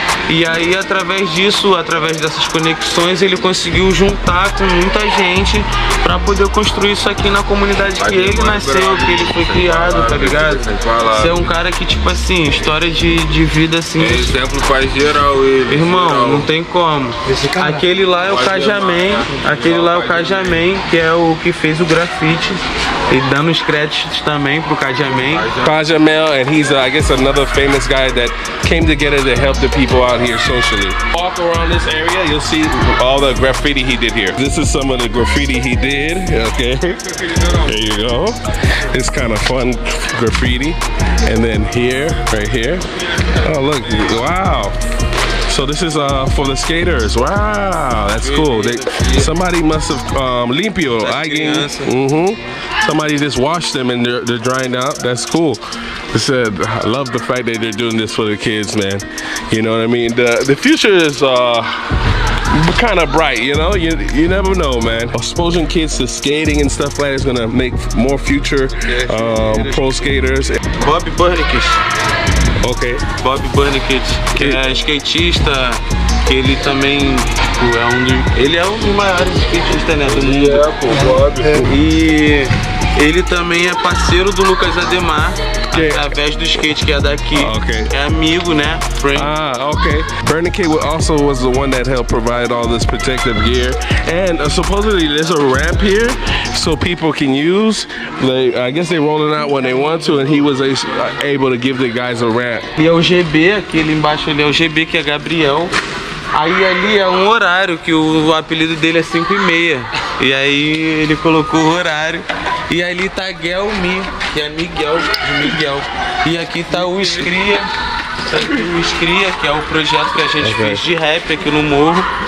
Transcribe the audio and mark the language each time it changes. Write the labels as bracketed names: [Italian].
[Portuguese] E aí através disso, através dessas conexões, ele conseguiu juntar com muita gente pra poder construir isso aqui na comunidade que ele nasceu, que ele foi criado, tá ligado? Você é um cara que, tipo assim, história de vida assim. É exemplo faz geral ele. Irmão, não tem como. Aquele lá é o Cajamém, aquele lá é o Cajamém, que é o que fez o grafite. E dando os créditos também pro Cajamel. [English] Cajamel, and he's I guess another famous guy that came together to help the people out here socially. Walk around this area, you'll see all the graffiti he did here. This is some of the graffiti he did. Okay. There you go. It's kind of fun graffiti. And then here, right here. Oh, look. Wow. So this is for the skaters. Wow, that's cool. Somebody must have [Spanish] limpio, alguien. [English] Mm-hmm. Somebody just washed them and they're drying out. That's cool. I said, I love the fact that they're doing this for the kids, man. You know what I mean? The future is kind of bright, you know? You never know, man. Exposing kids to skating and stuff like that is gonna make more future pro skaters. Bobby Burnicus. Okay. [Portuguese] Bobby Burnicus, que é skatista, que ele também, tipo, ele é um dos maiores skatistas, né, do mundo. É, pô, Bobby. E ele também é parceiro do Lucas Ademar, okay, através do skate que é daqui. Okay. É amigo, né? [English] Friend. Okay. Burnicus also was the one that helped provide all this protective gear. And supposedly there's a ramp here so people can use. I guess they roll it out when they want to, and he was able to give the guys a ramp. [Portuguese] E é o GB, aquele embaixo ali é o GB, que é Gabriel. Aí ali é um horário, que o apelido dele é 5:30. E aí ele colocou o horário. E ali tá Guelmi, que é Miguel, de Miguel. E aqui tá o Escria. Tá aqui o Escria, que é o projeto que a gente fez de rap aqui no morro.